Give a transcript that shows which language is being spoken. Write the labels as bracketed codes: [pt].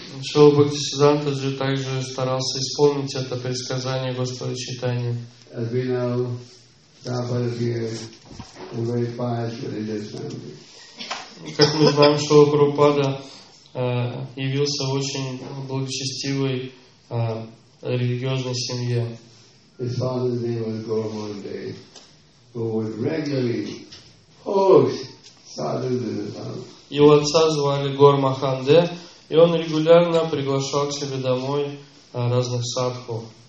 [ru] Шрила Бхактисиддханта Джи также старался исполнить это предсказание Господа Читания. [en] As we know, Prabhupada appeared in a very pious religious family. [ru] Как мы знаем, что Прабхупада явился в очень благочестивой религиозной семье. [en] His father's name was Gauramandev, who would regularly host sadhus in his house. [ru] Его отца звали Гормаханде, и он регулярно приглашал к себе домой разных садху.